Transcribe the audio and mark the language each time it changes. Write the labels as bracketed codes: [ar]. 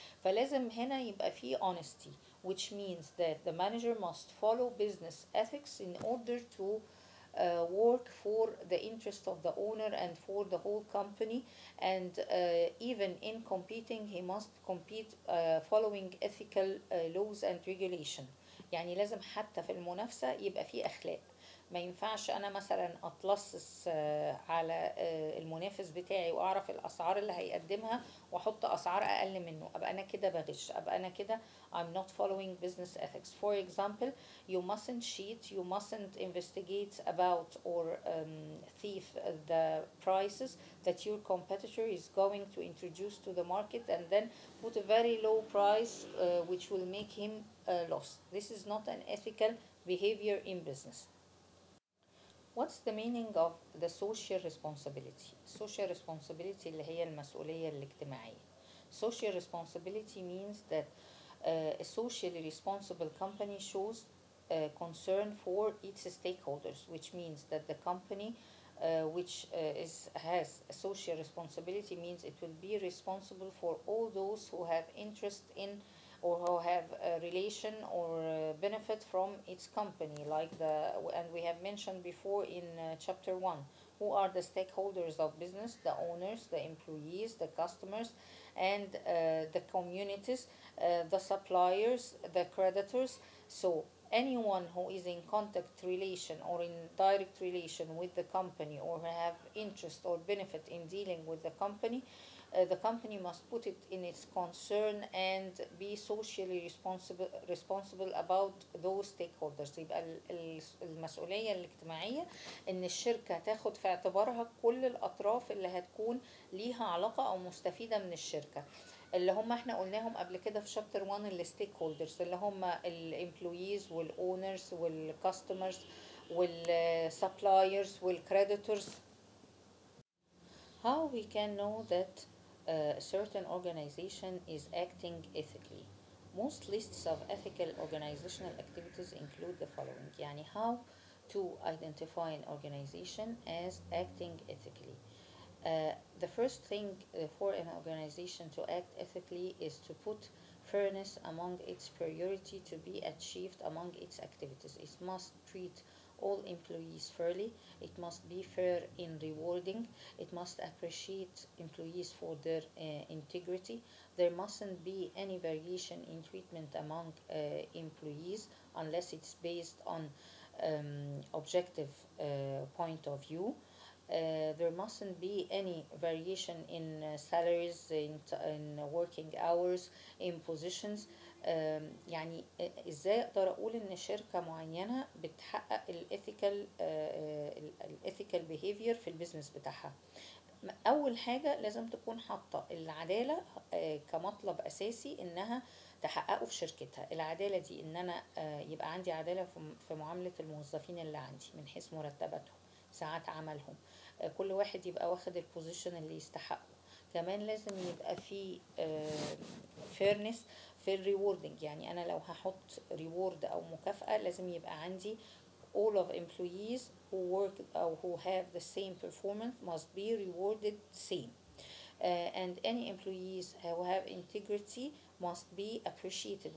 [ar] فلازم هنا يبقى فيه [en] honesty, which means that the manager must follow business ethics in order to work for the interest of the owner and for the whole company, and even in competing he must compete following ethical laws and regulation. [ar] يعني لازم حتى في المنافسة يبقى فيه أخلاق. ما ينفعش أنا مثلا أتلصص على المنافس بتاعي وأعرف الأسعار اللي هيقدمها وأحط أسعار أقل منه، أبقى أنا كده بغش، أبقى أنا كده [en] I'm not following business ethics. For example, you mustn't cheat, you mustn't investigate about or thief the prices that your competitor is going to introduce to the market and then put a very low price which will make him loss. This is not an ethical behavior in business. What's the meaning of the social responsibility? [ar] Social responsibility اللي هي المسؤولية الاجتماعية. [en] Social responsibility means that a socially responsible company shows concern for its stakeholders, which means that the company which has a social responsibility means it will be responsible for all those who have interest in or who have a relation or benefit from its company, like the, and we have mentioned before in chapter 1, who are the stakeholders of business: the owners, the employees, the customers, and the communities, the suppliers, the creditors. So anyone who is in contact relation or in direct relation with the company, or have interest or benefit in dealing with the company must put it in its concern and be socially responsible about those stakeholders. [ar] يبقى المسؤولية الاجتماعية ان الشركة تاخد في اعتبارها كل الاطراف اللي هتكون ليها علاقة او مستفيدة من الشركة، اللي هم احنا قلناهم قبل كده في شابتر 1 الستيك هولدرز، اللي هم الامبلويز والاونرز والكاستمرز والسبلايرز والكريديتورز. [en] How we can know that a certain organization is acting ethically? Most lists of ethical organizational activities include the following. يعني how to identify an organization as acting ethically. The first thing for an organization to act ethically is to put fairness among its priority to be achieved among its activities. It must treat all employees fairly. It must be fair in rewarding. It must appreciate employees for their integrity. There mustn't be any variation in treatment among employees unless it's based on objective point of view. There mustn't be any variation in salaries, in working hours, in positions. [ar] يعني ازاي اقدر اقول ان شركه معينه بتحقق الايثيكال الايثيكال بيهيفير في البيزنس بتاعها. اول حاجه لازم تكون حاطه العداله كمطلب اساسي انها تحققه في شركتها. العداله دي ان انا يبقى عندي عداله في معامله الموظفين اللي عندي من حيث مرتباتهم، ساعات عملهم، كل واحد يبقى واخد البوزيشن اللي يستحقه. كمان لازم يبقى في فيرنس في الريوردنج، يعني انا لو هحط ريورد او مكافاه لازم يبقى عندي [en] all of employees who work or who have the same performance must be rewarded same. And any employees who have integrity must be appreciated.